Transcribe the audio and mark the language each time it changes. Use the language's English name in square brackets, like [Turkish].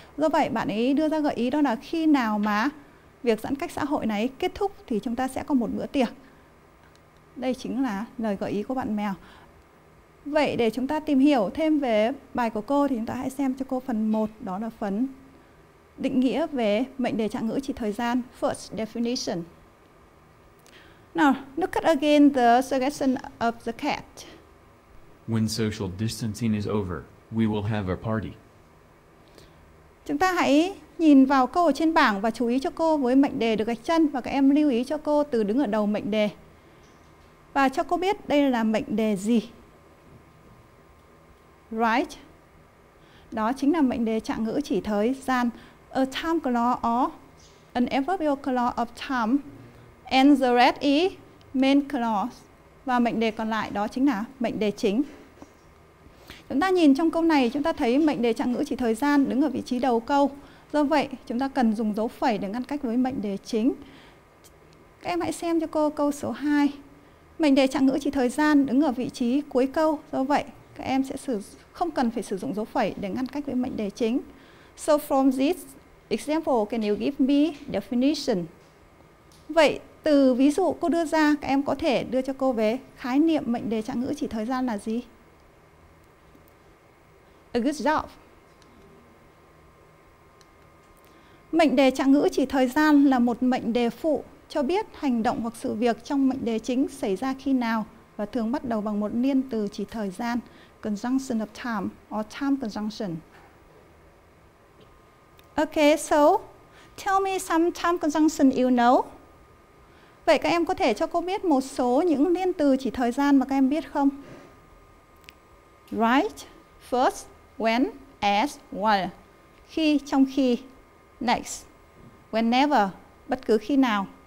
[Vietnamese] Do vậy bạn ấy đưa ra gợi ý đó là khi nào mà việc giãn cách xã hội này kết thúc thì chúng ta sẽ có một bữa tiệc. Đây chính là lời gợi ý của bạn mèo. Vậy để chúng ta tìm hiểu thêm về bài của cô thì chúng ta hãy xem cho cô phần 1, đó là phần định nghĩa về mệnh đề trạng ngữ chỉ thời gian, [English] first definition. Now, look at again the suggestion of the cat. When social distancing is over, we will have a party. [Vietnamese] Chúng ta hãy nhìn vào câu ở trên bảng và chú ý cho cô với mệnh đề được gạch chân và các em lưu ý cho cô từ đứng ở đầu mệnh đề. Và cho cô biết đây là mệnh đề gì. Right. Đó chính là mệnh đề trạng ngữ chỉ thời gian. [English] A time clause or an adverbial clause of time. And the rest is main clause. [Vietnamese] Và mệnh đề còn lại đó chính là mệnh đề chính. Chúng ta nhìn trong câu này chúng ta thấy mệnh đề trạng ngữ chỉ thời gian đứng ở vị trí đầu câu. Do vậy chúng ta cần dùng dấu phẩy để ngăn cách với mệnh đề chính. Các em hãy xem cho cô câu số 2. Mệnh đề trạng ngữ chỉ thời gian đứng ở vị trí cuối câu. Do vậy các em sẽ không cần phải sử dụng dấu phẩy để ngăn cách với mệnh đề chính. [English] So from this example, can you give me definition? [Vietnamese] Vậy từ ví dụ cô đưa ra, các em có thể đưa cho cô về khái niệm mệnh đề trạng ngữ chỉ thời gian là gì? [English] A good job. [Vietnamese] Mệnh đề trạng ngữ chỉ thời gian là một mệnh đề phụ cho biết hành động hoặc sự việc trong mệnh đề chính xảy ra khi nào và thường bắt đầu bằng một liên từ chỉ thời gian, [English] conjunction of time or time conjunction. Okay, so tell me some time conjunction you know. [Vietnamese] Vậy các em có thể cho cô biết một số những liên từ chỉ thời gian mà các em biết không? [English] Right, first, when, as, while. [Vietnamese] Khi, trong khi. [English] Next, whenever, [Vietnamese] bất cứ khi nào.